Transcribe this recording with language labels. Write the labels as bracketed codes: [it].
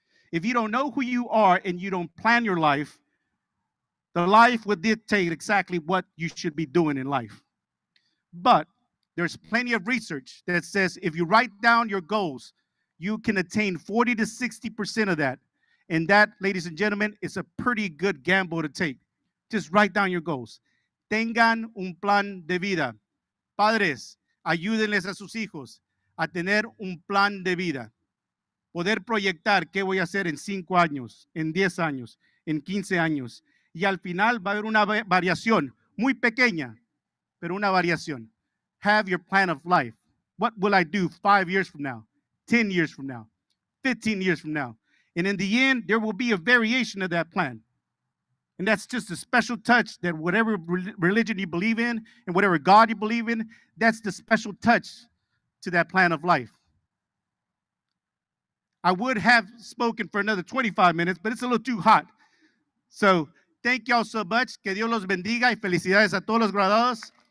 [en] If you don't know who you are and you don't plan your life, the life will dictate exactly what you should be doing in life. But there's plenty of research that says if you write down your goals, you can attain 40 to 60% of that. And that, ladies and gentlemen, is a pretty good gamble to take. Just write down your goals. [es] Tengan un plan de vida. Padres, ayúdenles a sus hijos a tener un plan de vida. Poder proyectar qué voy a hacer en 5 años, en 10 años, en 15 años. Y al final va a haber una variación, muy pequeña, pero una variación. [en] Have your plan of life. What will I do 5 years from now, 10 years from now, 15 years from now? And in the end, there will be a variation of that plan. And that's just a special touch that whatever religion you believe in and whatever God you believe in, that's the special touch to that plan of life. I would have spoken for another 25 minutes, but it's a little too hot. So thank y'all so much. [es] Que Dios los bendiga y felicidades a todos los graduados.